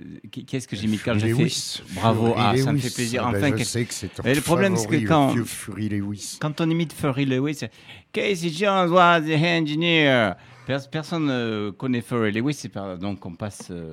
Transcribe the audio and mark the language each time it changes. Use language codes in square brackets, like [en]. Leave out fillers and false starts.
[fr] Qu'est-ce que j'imite quand je fais. Bravo, ça me fait plaisir. Enfin, je sais que c'est ton favori, le problème, c'est que quand on imite Furry Lewis, [en] Casey Jones was the engineer. [fr] Personne ne connaît Furry Lewis, donc on passe.